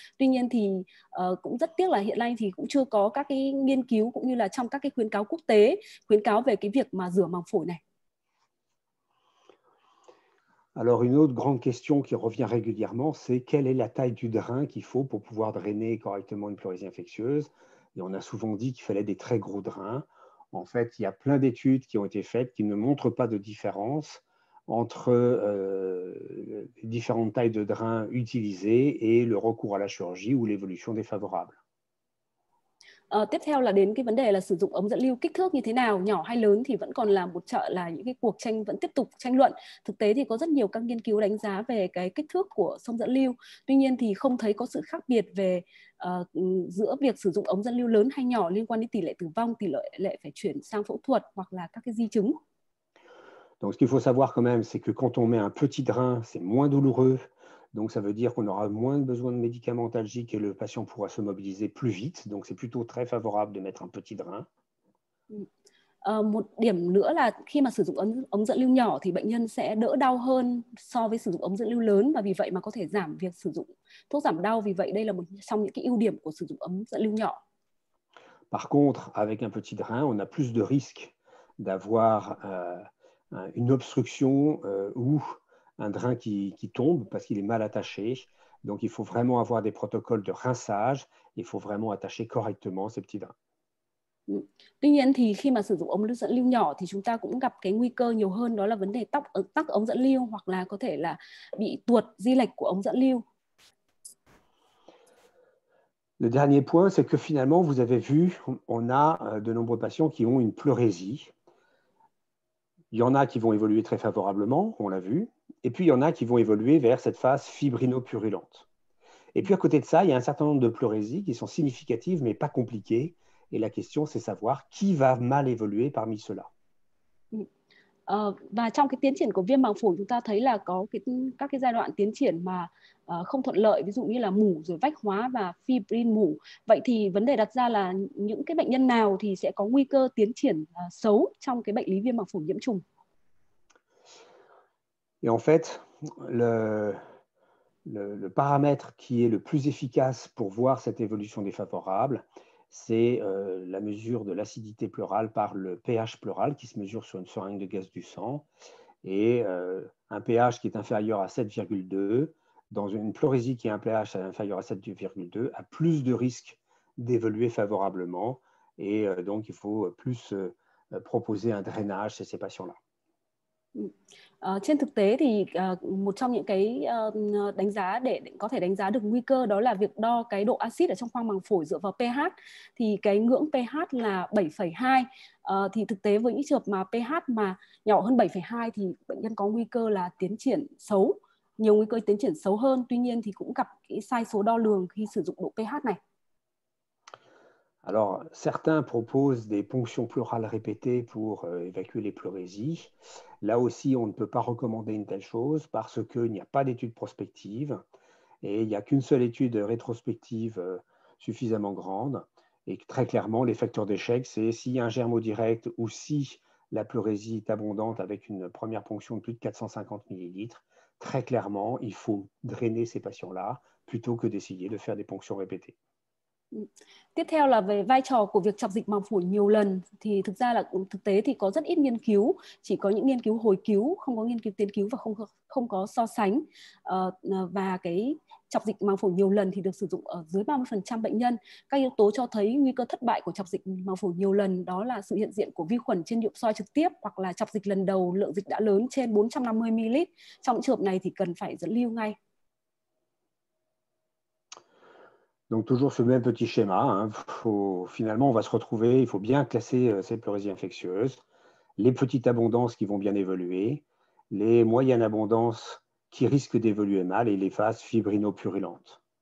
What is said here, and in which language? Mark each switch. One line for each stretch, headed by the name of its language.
Vietnamese: Tuy nhiên thì cũng rất tiếc là hiện nay thì cũng chưa có các cái nghiên cứu cũng như là trong các cái khuyến cáo quốc tế khuyến cáo về cái việc mà rửa màng phổi này.
French: Alors une autre grande question qui revient régulièrement, c'est quelle est la taille du drain qu'il faut pour pouvoir drainer correctement une pleurésie infectieuse. Et on a souvent dit qu'il fallait des très gros drains. En fait, il y a plein d'études qui ont été faites qui ne montrent pas de différence entre les différentes tailles de drains utilisées et le recours à la chirurgie ou l'évolution défavorable.
Vietnamese: Tiếp theo là đến cái vấn đề là sử dụng ống dẫn lưu kích thước như thế nào, nhỏ hay lớn thì vẫn còn là một trợ là những cái cuộc tranh vẫn tiếp tục tranh luận. Thực tế thì có rất nhiều các nghiên cứu đánh giá về cái kích thước của ống dẫn lưu. Tuy nhiên thì không thấy có sự khác biệt về giữa việc sử dụng ống dẫn lưu lớn hay nhỏ liên quan đến tỷ lệ tử vong, tỷ lệ phải chuyển sang phẫu thuật hoặc là các cái di chứng.
French: Donc ce qu'il faut savoir quand même, c'est que quand on met un petit drain, c'est moins douloureux. Donc, ça veut dire qu'on aura moins besoin de médicaments antalgiques et le patient pourra se mobiliser plus vite. Donc, c'est plutôt très favorable de mettre un petit drain.
Vietnamese: Một điểm nữa là khi mà sử dụng ống dẫn lưu nhỏ thì bệnh nhân sẽ đỡ đau hơn so với sử dụng ống dẫn lưu lớn và vì vậy mà có thể giảm việc sử dụng thuốc giảm đau. Vì vậy, đây là một trong những cái ưu điểm của sử dụng ống dẫn lưu nhỏ.
French: Par contre, avec un petit drain, on a plus de risques d'avoir une obstruction ou un drain qui tombe parce qu'il est mal attaché. Donc, il faut vraiment avoir des protocoles de rinçage. Il faut vraiment attacher correctement ces petits drains.
Vietnamese: Tuy nhiên, thì khi mà sử dụng ống dẫn lưu nhỏ, thì chúng ta cũng gặp cái nguy cơ nhiều hơn, đó là vấn đề tắc ống dẫn lưu hoặc là có thể là bị tuột di lệch của ống dẫn lưu.
French: Le dernier point, c'est que finalement, vous avez vu, on a de nombreux patients qui ont une pleurésie. Il y en a qui vont évoluer très favorablement, on l'a vu. Et puis, il y en a qui vont évoluer vers cette phase fibrino-purulente. Et puis, à côté de ça, il y a un certain nombre de pleurésies qui sont significatives, mais pas compliquées. Et la question, c'est savoir qui va mal évoluer parmi ceux-là.
Vietnamese: Và trong cái tiến triển của viêm màng phổi, chúng ta thấy là có các cái giai đoạn tiến triển mà không thuận lợi, ví dụ như là mủ, rồi vách hóa và fibrin mủ. Vậy thì vấn đề đặt ra là những cái bệnh nhân nào thì sẽ có nguy cơ tiến triển xấu trong cái bệnh lý viêm màng phổi nhiễm trùng?
French: Et en fait, le paramètre qui est le plus efficace pour voir cette évolution défavorable, c'est la mesure de l'acidité pleurale par le pH pleural qui se mesure sur une seringue de gaz du sang. Et un pH qui est inférieur à 7,2, dans une pleurésie qui a un pH inférieur à 7,2, a plus de risques d'évoluer favorablement. Et donc, il faut plus proposer un drainage chez ces patients-là.
Vietnamese: Trên thực tế thì một trong những cái đánh giá để có thể đánh giá được nguy cơ đó là việc đo cái độ axit ở trong khoang màng phổi dựa vào pH. Thì cái ngưỡng pH là 7,2. Thì thực tế với những trường hợp mà pH mà nhỏ hơn 7,2 thì bệnh nhân có nguy cơ là tiến triển xấu, nhiều nguy cơ tiến triển xấu hơn. Tuy nhiên thì cũng gặp cái sai số đo lường khi sử dụng độ pH này.
French: Alors, certains proposent des ponctions pleurales répétées pour évacuer les pleurésies. Là aussi, on ne peut pas recommander une telle chose parce qu'il n'y a pas d'étude prospective et il n'y a qu'une seule étude rétrospective suffisamment grande. Et très clairement, les facteurs d'échec, c'est s'il y a un germot direct ou si la pleurésie est abondante avec une première ponction de plus de 450 ml, très clairement, il faut drainer ces patients-là plutôt que d'essayer de faire des ponctions répétées.
Vietnamese: Tiếp theo là về vai trò của việc chọc dịch màng phổi nhiều lần. Thì thực ra là thực tế thì có rất ít nghiên cứu, chỉ có những nghiên cứu hồi cứu, không có nghiên cứu tiến cứu và không có so sánh. Và cái chọc dịch màng phổi nhiều lần thì được sử dụng ở dưới 30% bệnh nhân. Các yếu tố cho thấy nguy cơ thất bại của chọc dịch màng phổi nhiều lần đó là sự hiện diện của vi khuẩn trên nhuộm soi trực tiếp hoặc là chọc dịch lần đầu lượng dịch đã lớn trên 450 ml. Trong trường hợp này thì cần phải dẫn lưu ngay.
French: Donc toujours ce même petit schéma, hein. Finalement on va se retrouver, il faut bien classer ces pleurésies infectieuses, les petites abondances qui vont bien évoluer, les moyennes abondances qui risquent d'évoluer mal et les phases fibrino-purulentes.